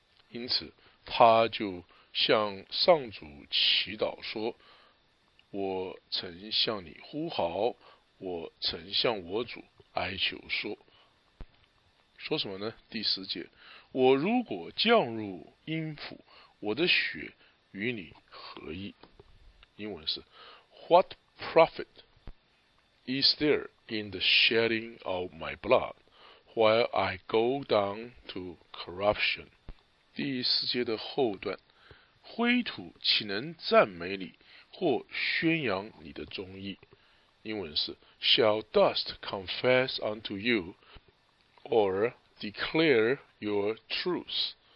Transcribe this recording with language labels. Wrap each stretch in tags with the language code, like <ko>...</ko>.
<zh>因此他就向上主祈祷说，我曾向你呼号，我曾向我主哀求说。说什么呢？第十节，我如果降入阴府，我的血与你何异？英文是</zh> <en>What profit is there in the shedding of my blood while I go down to corruption。</en> <zh>第十节的后段，灰土岂能赞美你或宣扬你的忠义？英文是</zh> <en>Shall dust confess unto you or declare your truth。</en>